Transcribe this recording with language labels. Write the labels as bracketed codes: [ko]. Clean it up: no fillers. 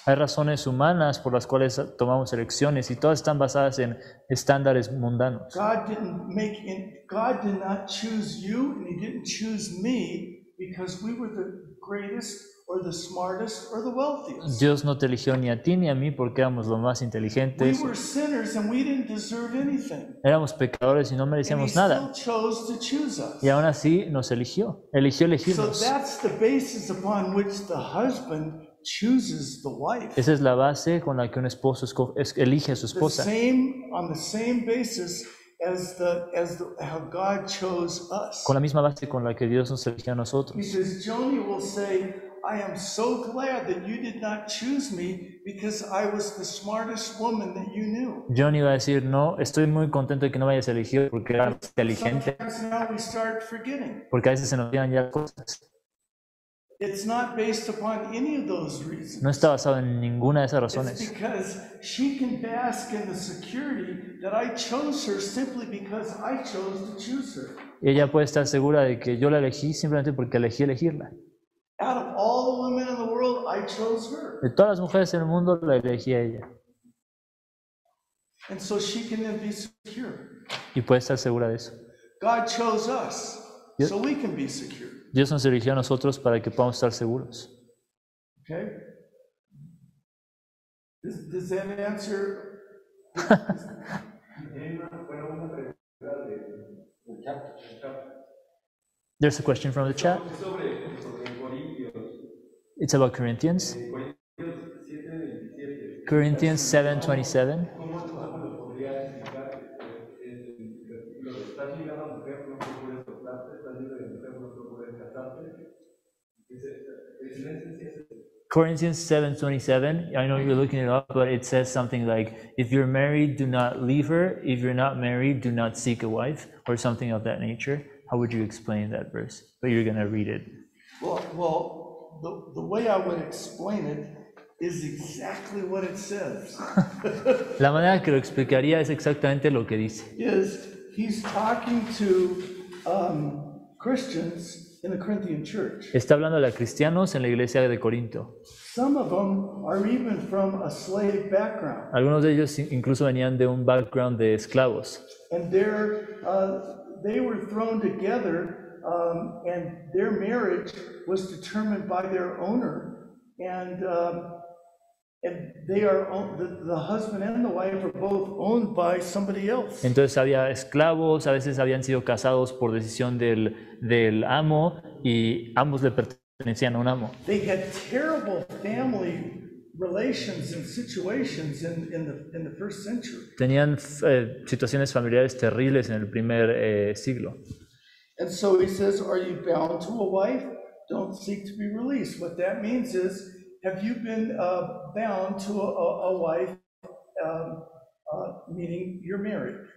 [es] Hay razones humanas por las cuales tomamos elecciones y todas están basadas en estándares mundanos. [en] God did not choose you and he didn't choose me because we were the greatest or the smartest or the wealthiest. [es] Dios no te eligió ni a ti ni a mí porque éramos los más inteligentes. [en] We were sinners and we didn't deserve anything. [es] Éramos pecadores y no merecíamos nada. [en] And he still chose to choose us. [es] Y aún así nos eligió. Eligió elegirnos. [en] So that's the basis upon which the husband chooses the wife. [es] Esa es la base con la que un esposo elige a su esposa. [en] On the same basis. As the how God chose us. [es] Con la misma base con la que Dios nos eligió a nosotros. [en] He says, Joni will say, I am so glad that you did not choose me because I was the smartest woman that you knew. [es] Joni va a decir, no, estoy muy contento de que no me hayas elegido porque era inteligente. [en] Sometimes now we start forgetting. [es] Porque a veces se nos olvidan ya cosas. [en] It's not based upon any of those reasons. [es] No está basado en ninguna de esas razones. [en] It's because she can bask in the security that I chose her simply because I chose to choose her. [es] Ella puede estar segura de que yo la elegí simplemente porque elegí elegirla. [en] Out of all the women in the world, I chose her. [es] De todas las mujeres en el mundo, la elegí a ella. [en] And so she can then be secure. [es] Y puede estar segura de eso. [en] God chose us so we can be secure. [es] Dios nos eligió a nosotros para que podamos estar seguros. [en] Okay. Does that answer? There's a question from the chat. It's about Corinthians. Corinthians 7:27. Corinthians 7:27, I know you're looking it up, but it says something like, if you're married, do not leave her. If you're not married, do not seek a wife, or something of that nature. How would you explain that verse? But you're going to read it. Well, the way I would explain it is exactly what it says. [es] La manera que lo explicaría es exactamente lo que dice. [en] Yes, he's talking to Christians in the Corinthian church. [es] Está hablando a cristianos en la iglesia de Corinto. [en] Some of them are even from a slave background. [es] Algunos de ellos incluso venían de un background de esclavos. [en] And they were thrown together, and their marriage was determined by their owner, and they are the husband and the wife are both owned by somebody else. [es] Entonces había esclavos, a veces habían sido casados por decisión del amo y ambos le pertenecían a un amo. [en] They had terrible family relations and situations in the first century. [es] Tenían situaciones familiares terribles en el primer siglo. [en] And so he says, are you bound to a wife? Don't seek to be released. What that means is, have you been bound to a wife, meaning you're married?